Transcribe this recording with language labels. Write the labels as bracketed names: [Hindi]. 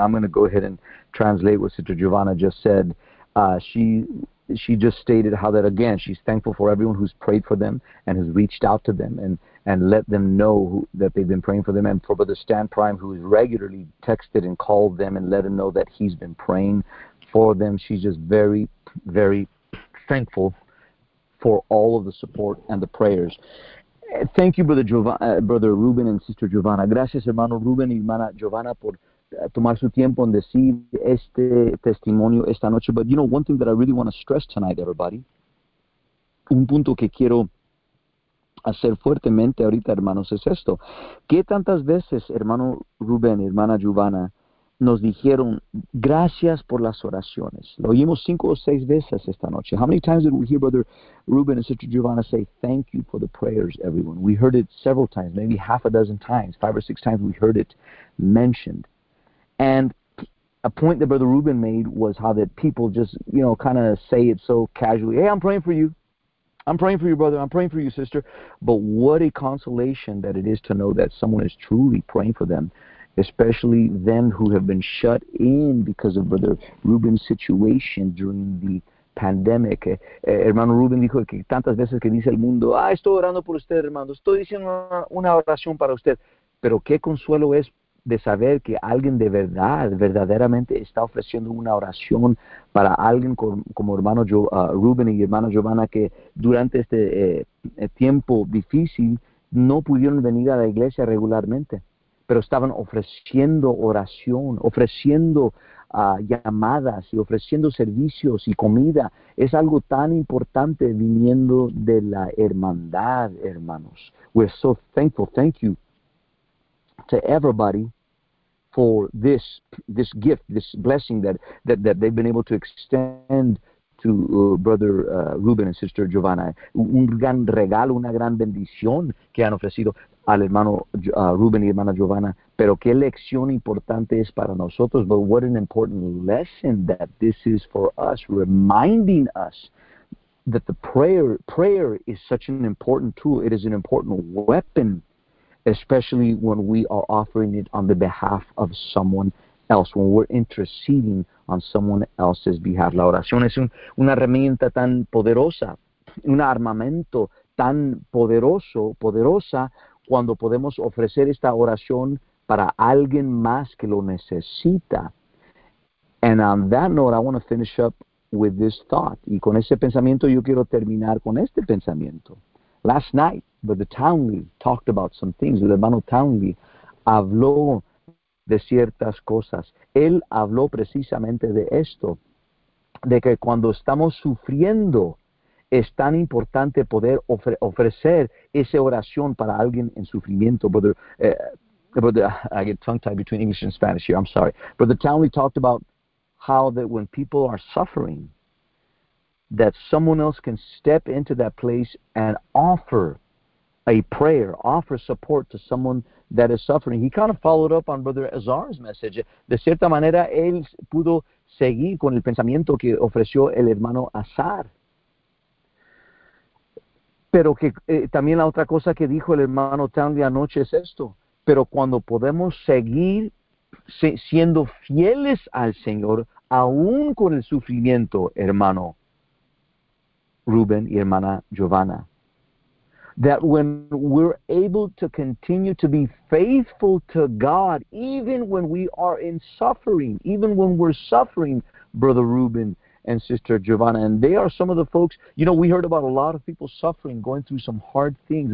[English] I'm going to go ahead and translate what Sister Giovanna just said. She just stated how that, again, she's thankful for everyone who's prayed for them and has reached out to them and let them know that they've been praying for them. And for Brother Stan Prime, who has regularly texted and called them and let them know that he's been praying for them. She's just very, very thankful for all of the support and the prayers. Thank you, Brother Ruben and Sister Giovanna. [Spanish] Gracias, hermano Ruben y hermana Giovanna, por tomar su tiempo en decir este testimonio esta noche. [English] But, you know, one thing that I really want to stress tonight, everybody, [Spanish] un punto que quiero hacer fuertemente ahorita, hermanos, es esto. ¿Qué tantas veces, hermano Ruben y hermana Giovanna, nos dijeron gracias por las oraciones? Lo oímos 5 o 6 veces esta noche. [English] How many times did we hear Brother Ruben and Sister Giovanna say thank you for the prayers, everyone? We heard it several times, maybe 6 times, 5 or 6 times we heard it mentioned. And a point that Brother Ruben made was how that people just, you know, kind of say it so casually. Hey, I'm praying for you. I'm praying for you, brother. I'm praying for you, sister. But what a consolation that it is to know that someone is truly praying for them, especially them who have been shut in because of Brother Ruben's situation during the pandemic. [Spanish] Hermano Ruben dijo que tantas veces que dice el mundo, ah, estoy orando por usted, hermano, estoy diciendo una oración para usted. Pero qué consuelo es de saber que alguien de verdad, verdaderamente está ofreciendo una oración para alguien como hermano Ruben y hermana Giovanna, que durante este tiempo difícil no pudieron venir a la iglesia regularmente, pero estaban ofreciendo oración, ofreciendo llamadas y ofreciendo servicios y comida. Es algo tan importante viniendo de la hermandad, hermanos. [English] We're so thankful. Thank you to everybody for this gift, this blessing that they've been able to extend to Brother Ruben and Sister Giovanna. [Spanish] Un gran regalo, una gran bendición que han ofrecido al hermano Ruben y hermana Giovanna. Pero qué lección importante es para nosotros. [English] But what an important lesson that this is for us, reminding us that the prayer is such an important tool. It is an important weapon, especially when we are offering it on the behalf of someone else, when we're interceding on someone else's behalf. [Spanish] La oración es una herramienta tan poderosa, un armamento tan poderoso, poderosa, cuando podemos ofrecer esta oración para alguien más que lo necesita. [English] And on that note, I want to finish up with this thought. [Spanish] Y con ese pensamiento, yo quiero terminar con este pensamiento. [English] Last night, Brother Townley talked about some things. [Spanish] El hermano Townley habló de ciertas cosas. Él habló precisamente de esto, de que cuando estamos sufriendo, es tan importante poder ofrecer esa oración para alguien en sufrimiento. [English] Brother, I get tongue-tied between English and Spanish here. I'm sorry. Brother Townley talked about how that when people are suffering, that someone else can step into that place and offer a prayer, offer support to someone that is suffering. He kind of followed up on Brother Azar's message. [Spanish] De cierta manera, él pudo seguir con el pensamiento que ofreció el hermano Azar. Pero que también la otra cosa que dijo el hermano Townley anoche es esto. Pero cuando podemos seguir siendo fieles al Señor, aún con el sufrimiento, hermano Ruben y hermana Giovanna, [English] that when we're able to continue to be faithful to God, even when we are in suffering, even when we're suffering, Brother Ruben and Sister Giovanna, and they are some of the folks, you know, we heard about a lot of people suffering, going through some hard things.